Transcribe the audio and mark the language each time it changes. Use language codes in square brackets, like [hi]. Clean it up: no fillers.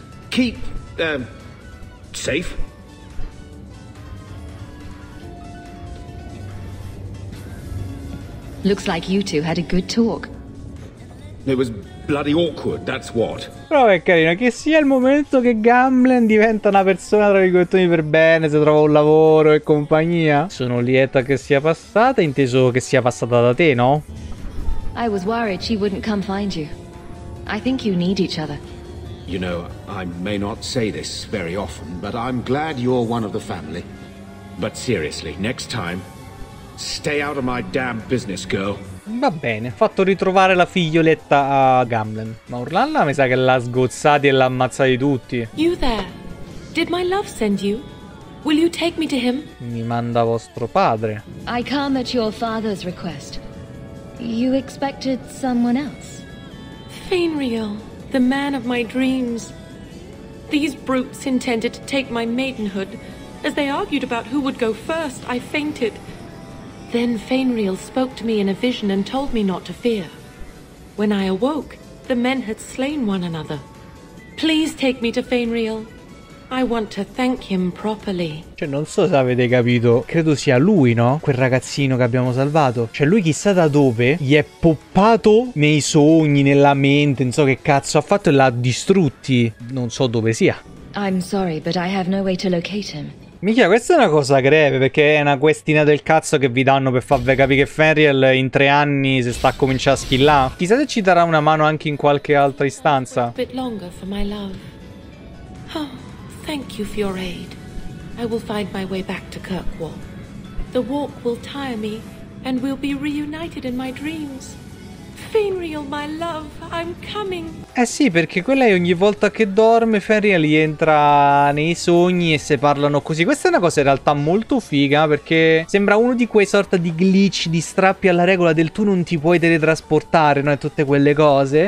[en] Keep, safe. Looks like you two had a good talk. It was bloody awkward, that's what. [it] Però è carino che sia il momento che Gamlen diventa una persona tra virgolette per bene, si trova un lavoro e compagnia. Sono lieta che sia passata, inteso che sia passata da te, no? [en] I was worried she wouldn't come find you. I think you need each other. You know, I may not say this very often, but I'm glad you're one of the family. But seriously, next time, stay out of my damn business, girl. [it] Va bene, fatto ritrovare la figlioletta a Gamlen. Ma Orlando mi sa che l'ha sgozzati e l'ha ammazzati tutti. [en] You there? Did my love send you? Will you take me to him? [it] Mi manda vostro padre. [en] I come at your father's request. You expected someone else. Fainriel, the man of my dreams. These brutes intended to take my maidenhood. As they argued about who would go first, I fainted. Then Fainriel spoke to me in a vision and told me not to fear. When I awoke, the men had slain one another. Please take me to Fainriel. I want to thank him properly. [it] Cioè, non so se avete capito. Credo sia lui, no? Quel ragazzino che abbiamo salvato. Cioè, lui chissà da dove gli è poppato nei sogni, nella mente, non so che cazzo ha fatto e l'ha distrutti. Non so dove sia. [en] I'm sorry, but I have no way to locate him. [it] Minchia, questa è una cosa greve, perché è una questina del cazzo che vi danno per farvi capire che Fenriel in 3 anni si sta a cominciare a skillare. Chissà se ci darà una mano anche in qualche altra istanza. [en] A bit longer for my love. Oh, thank you for your aid. I will find my way back to Kirkwall. The walk will tire me, and we'll be reunited in my dreams. Fenriel, my love, I'm coming. [it] Eh sì, perché quella è ogni volta che dorme, Fenriel entra nei sogni e se parlano così. Questa è una cosa in realtà molto figa, perché sembra uno di quei sorta di glitch, di strappi alla regola del tu non ti puoi teletrasportare, no? E tutte quelle cose.